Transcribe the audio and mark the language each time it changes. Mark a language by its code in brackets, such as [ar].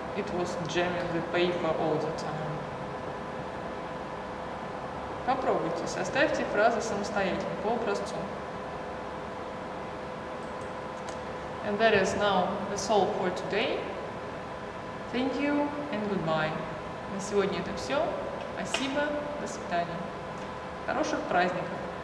[en] It was jamming the paper all the time. [ru] Попробуйте, составьте фразы самостоятельно, по образцу. [en] And that is now that's all for today. Thank you and goodbye. [ru] На сегодня это все. Спасибо. До свидания. Хороших праздников.